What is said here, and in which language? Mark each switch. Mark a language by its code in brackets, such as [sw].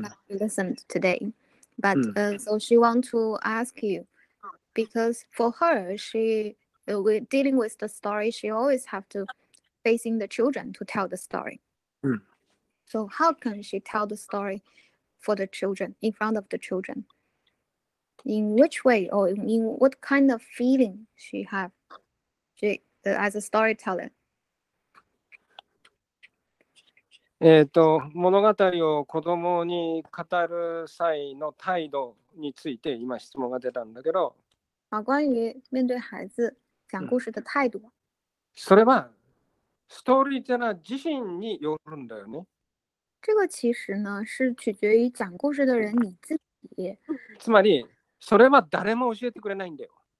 [en] Listened today. But so she want to ask you, because for her, she with dealing with the story, she always have to facing the children to tell the story. So how can she tell the story for the children, in front of the children? In which way or in what kind of feeling she have she, as a storyteller? [ja] 物語を子供に語る際の態度について今質問が出たんだけど。 [zh] あ、关于面对孩子讲故事的态度。 [ja] それはストーリーテラー自身によるんだよね。 [zh] 这个其实呢是取决于讲故事的人你自己。 [ja] つまりそれは誰も教えてくれないんだよ。